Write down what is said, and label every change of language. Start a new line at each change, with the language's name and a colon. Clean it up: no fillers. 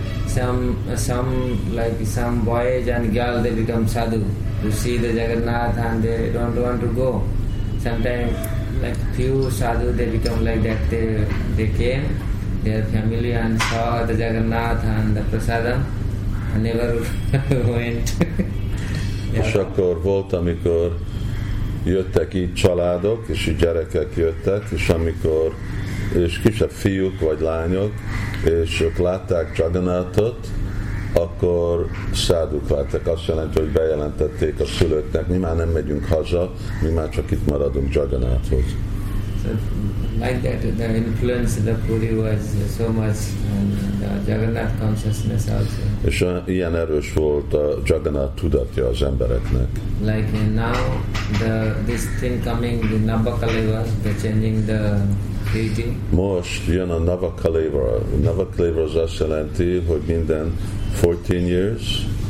English: Some like some boys and girls they become sadhu to see the Jagannath and they don't want to go. Sometimes like few sadhu, they become like that. They came, their family, and saw the Jagannath and the prasadam, and never went.
Hungarian: És akkor volt, amikor jöttek így családok, és így gyerekek jöttek, és amikor és kisebb fiúk vagy lányok, és ők látták Jagannathot, akkor száduk váltak. Azt jelenti, hogy bejelentették a szülőknek, mi már nem megyünk haza, mi már csak itt maradunk Jagannathot.
English: Like that, the influence of the Puri was so much, and the Jagannath consciousness also.
Hungarian: És ilyen erős volt a Jagannath tudatja az embereknek.
English: Like now, this thing coming, the Nabakaleva, the changing the...
Hungarian: Most jön a Navakaleva. Navakaleva az azt jelenti, hogy minden 14
English: years.